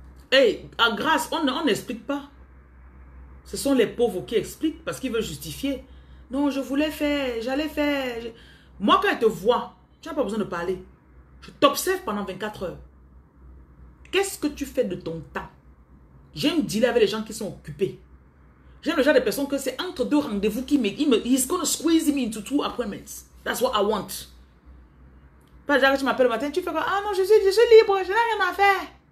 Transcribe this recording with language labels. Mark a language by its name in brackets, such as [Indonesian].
[French] Hey, à grâce, on n'explique pas. Ce sont les pauvres qui expliquent parce qu'ils veulent justifier. Non, je voulais faire, j'allais faire. Moi, quand elle te voit, tu n'as pas besoin de parler. Je t'observe pendant 24 heures. Qu'est-ce que tu fais de ton temps? J'aime dealer avec les gens qui sont occupés. J'aime le genre de personnes que c'est entre deux rendez-vous qui me. Il me [English] he's gonna squeeze me into two appointments. That's what I want. [French] Pas déjà que tu m'appelles le matin, tu fais quoi? Ah non, je suis libre, je n'ai rien à faire.